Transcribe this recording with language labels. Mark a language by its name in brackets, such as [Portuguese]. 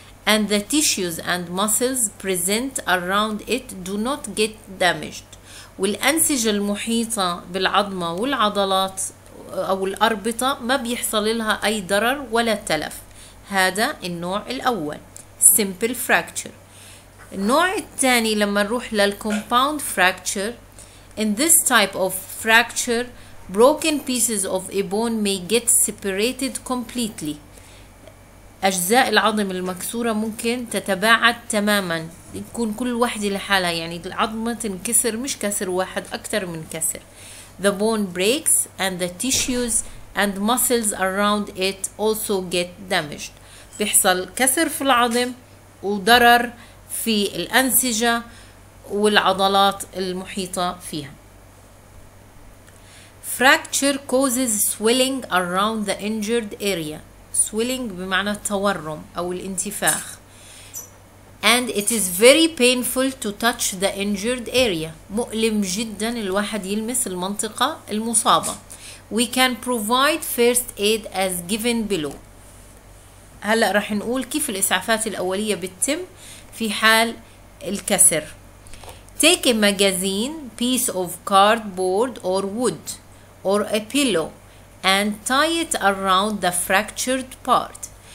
[English] And the tissues and muscles present around it do not get damaged. [Arabic] والأنسجة المحيطة بالعظمة والعضلات أو الأربطة ما بيحصل لها أي ضرر ولا تلف. هذا النوع الأول، simple fracture. النوع الثاني لما نروح للcompound fracture. [English] In this type of fracture broken pieces of a bone may get separated completely. [Arabic] أجزاء العظم المكسورة ممكن تتباعد تماما، يكون كل واحدة لحالها، يعني العظمة تنكسر مش كسر واحد، أكثر من كسر. [English] The bone breaks and the tissues and muscles around it also get damaged. [Arabic] بيحصل كسر في العظم وضرر في الأنسجة والعضلات المحيطة فيها. [English] Fracture causes swelling around the injured area. [Arabic] Swelling بمعنى التورم أو الانتفاخ. [English] And it is very painful to touch the injured area. [Arabic] مؤلم جدا الواحد يلمس المنطقة المصابة. [English] We can provide first aid as given below. [Arabic] هلأ رح نقول كيف الإسعافات الأولية بتتم في حال الكسر. [English] take a magazine, piece of cardboard or wood, or a pillow, and tie it around the fractured part.